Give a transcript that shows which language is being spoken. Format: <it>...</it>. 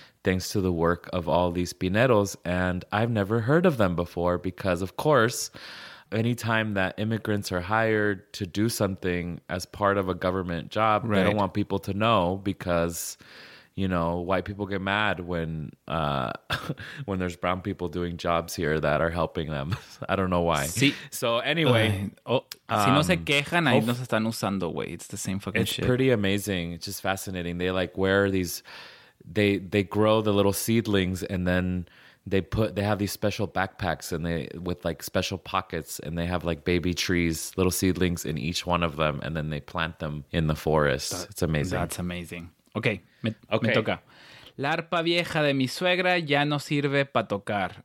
<en>Thanks to the work of all these pineros, and I've never heard of them before because, of course, anytime that immigrants are hired to do something as part of a government job, right. They don't want people to know because, you know, white people get mad when when there's brown people doing jobs here that are helping them. I don't know why.</en> <es>Si.</es> <en>So anyway.</en> <es>Si no se quejan, ahí nos están usando, güey.</es> <en>It's the same fucking shit. It's pretty amazing. It's just fascinating. They like wear these... They grow the little seedlings and then they have these special backpacks and they with like special pockets and they have like baby trees, little seedlings in each one of them and then they plant them in the forest. It's amazing. That's amazing. Okay.</en> <es>Me toca. La arpa vieja de mi suegra ya no sirve para tocar.</es>